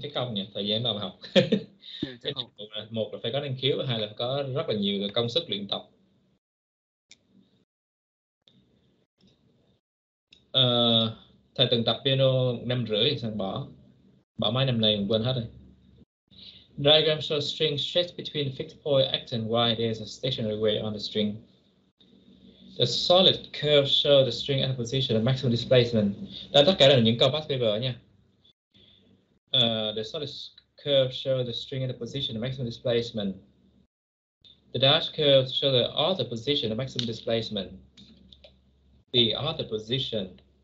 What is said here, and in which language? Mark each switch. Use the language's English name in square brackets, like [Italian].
[Vietnamese] Chắc không nhỉ? Thời gian đâu mà học. Chơi nhạc cụ là một là phải có năng khiếu, hai là có rất là nhiều công sức luyện tập. Thầy từng tập piano 5 rưỡi thì sao bỏ? Bỏ mấy năm nay quên hết rồi. [English] Diagram shows string stretched between fixed point X and Y. There is a stationary wave on the string. The solid curve show the string and position at maximum displacement. [Vietnamese] Đây tất cả là những câu past paper nha. [English] The solid curve show the string and the position at maximum displacement. The dashed curve show the other position at maximum displacement. The other position.